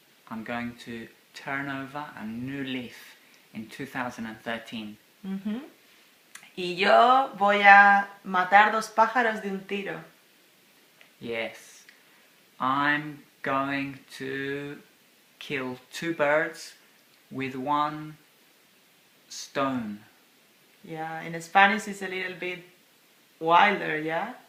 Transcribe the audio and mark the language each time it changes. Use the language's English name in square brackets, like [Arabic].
[English] I'm going to turn over a new leaf in 2013. [Spanish] Y yo voy a matar dos pájaros de un tiro. [English] Yes, I'm going to kill two birds with one stone. Yeah, in Spanish it's a little bit wilder, yeah?